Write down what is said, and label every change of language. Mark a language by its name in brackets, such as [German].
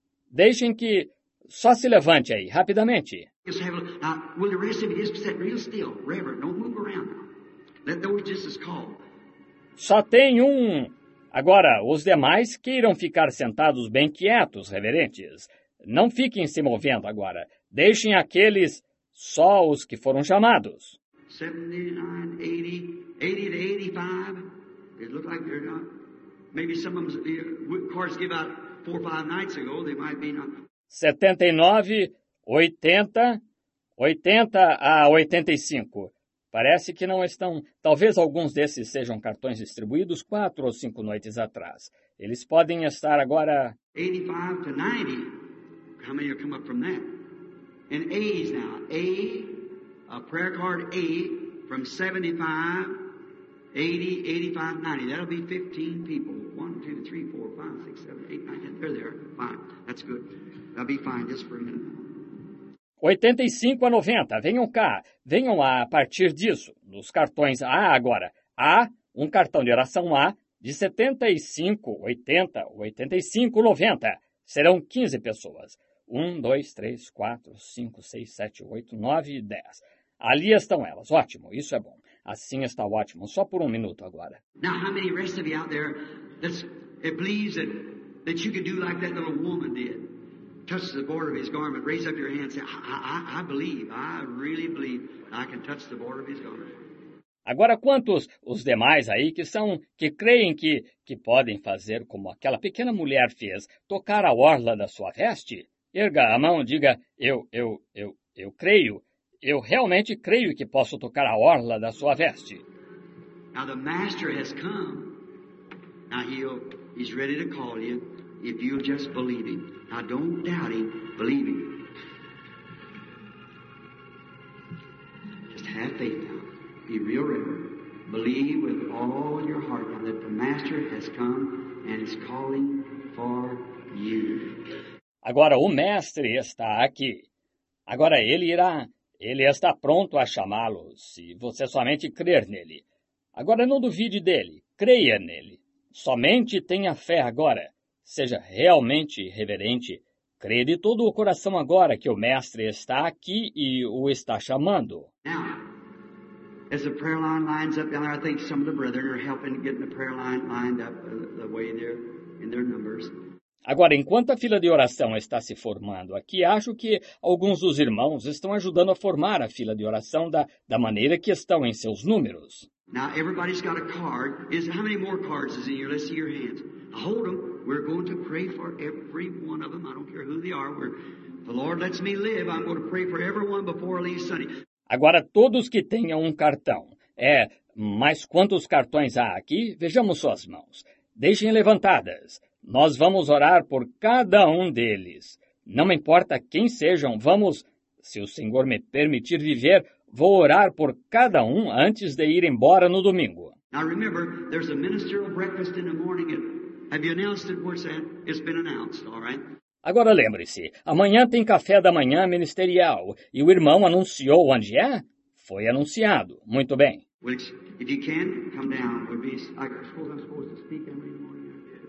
[Portuguese] Deixem que só se levante aí, rapidamente. [English] Just have a look. Will the rest of you just sit real still, reverend? Don't move around. Let those just as call. [Portuguese] Só tem um. Agora, os demais queiram ficar sentados bem quietos, reverentes. Não fiquem se movendo agora. Deixem aqueles, só os que foram chamados. [English] 79, 80, 80 to 85. It looked like they're not. Maybe some of them, cars give out 4 or 5 nights ago. They might be not. [Portuguese] 79, 80, 80 a 85. Parece que não estão. Talvez alguns desses sejam cartões distribuídos 4 ou 5 noites atrás. Eles podem estar agora. [English] 85 to 90. How many have come up from that? And A's now. A prayer card A from 75, 80, 85, 90. That'll be 15 people. 1, 2, 3, 4, 5, 6, 7, 8, 9, 10. They're there. Fine. That's good. That'll be fine just for a minute. [Portuguese] 85 a 90, venham cá, venham lá a partir disso, nos cartões A agora. A, um cartão de oração A, de 75, 80, 85, 90, serão 15 pessoas. 1, 2, 3, 4, 5, 6, 7, 8, 9, 10. Ali estão elas, ótimo, isso é bom. Assim está ótimo, só por um minuto agora. [English] Now, how many rest of you out there that believes that you can do like that little woman did? Touches the border of his garment. Raise up your hand and say, I believe, I really believe I can touch the border of his garment. [Portuguese] Agora, quantos os demais aí que são, que creem que podem fazer como aquela pequena mulher fez, tocar a orla da sua veste? Erga a mão, diga, eu creio. Eu realmente creio que posso tocar a orla da sua veste. [English] Now the master has come. Now he's ready to call you. If you just believe him. Now don't doubt him, believe him. Just have faith now. Be real reverent. Believe with all your heart now that the Master has come and is calling for you. [Portuguese] Agora o Mestre está aqui. Agora ele está pronto a chamá-lo, se você somente crer nele. Agora não duvide dele, creia nele. Somente tenha fé agora. Seja realmente reverente. Crê de todo o coração agora que o Mestre está aqui e o está chamando. [English] Now, as the prayer line lines up down there, I think some of the brethren are helping get the prayer line lined up the way they're in their numbers. [Portuguese] Agora, enquanto a fila de oração está se formando aqui, acho que alguns dos irmãos estão ajudando a formar a fila de oração da maneira que estão em seus números. [English] Now, everybody's got a card. How many more cards is in here? Let's see your hands. I'll hold them. We're going to pray for every one of them. I don't care who they are. The Lord lets me live. I'm going to pray for everyone before I leave Sunday. [Portuguese] Agora, todos que tenham um cartão. Mas quantos cartões há aqui? Vejamos suas mãos. Deixem levantadas. Nós vamos orar por cada um deles. Não importa quem sejam, vamos, se o Senhor me permitir viver, vou orar por cada um antes de ir embora no domingo. [English] Now remember, there's a ministerial breakfast in the morning. Have you announced it? Where's that? It's been announced, all right? [Portuguese] Agora lembre-se, amanhã tem café da manhã ministerial e o irmão anunciou onde é? Foi anunciado. Muito bem. [English] Well, if you can, come down. I suppose I'm supposed to speak in the morning.